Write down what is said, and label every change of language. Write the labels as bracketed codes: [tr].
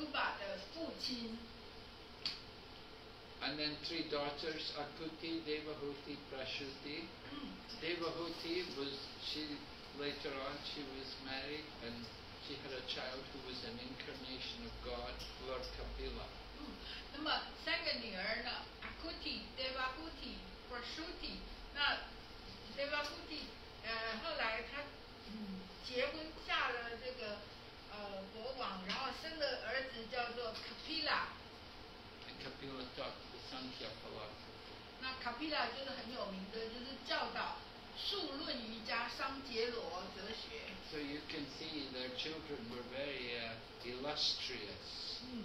[zh] 那第二个儿子呢，Uttanapada是很有名，因为他是这个Dhruva那个小孩，那个小Dhruva的父亲。 [en] And then 3 daughters, Akuti, Devahuti, Prashuti. Devahuti was, later on she was married and she had a child who was an incarnation of God, Lord Kapila. [zh] 那么三个女儿呢, Akuti, Devahuti, Prashuti. 那 Devahuti, 后来她结婚嫁了这个国王, 然后生了儿子叫做 Kapila. [en] Kapila taught the Sankhya philosophy. [zh] 那卡皮拉就是很有名的，就是教导数论瑜伽、桑杰罗哲学。 [en] So you can see their children were very illustrious.